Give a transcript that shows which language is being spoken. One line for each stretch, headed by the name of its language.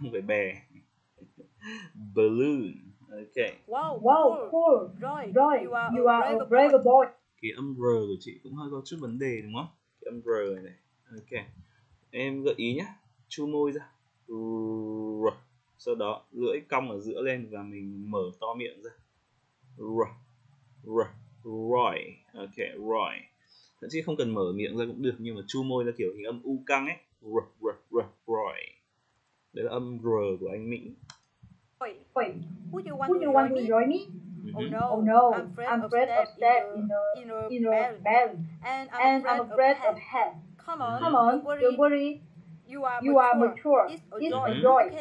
English: Then I will be going up in the sky, one of those huge big hot air balloons. Okay. Wow, cool, Roy, you are a brave boy.
Vietnamese: Cái âm R của chị cũng hơi có chút vấn đề đúng không? Cái âm R này. Ok. Em gợi ý nhá, chu môi ra. R. Sau đó lưỡi cong ở giữa lên và mình mở to miệng ra. R. Roy. Okay, Roy. Thậm chí không cần mở miệng ra cũng được, nhưng mà chu môi là kiểu hình âm u căng ấy. Roy. Đấy là âm R của anh Mỹ.
English: Who do you want to join me? Oh no, I'm afraid of death in a bell, and I'm afraid of hell. Come on, don't worry. You are mature. It's a joy.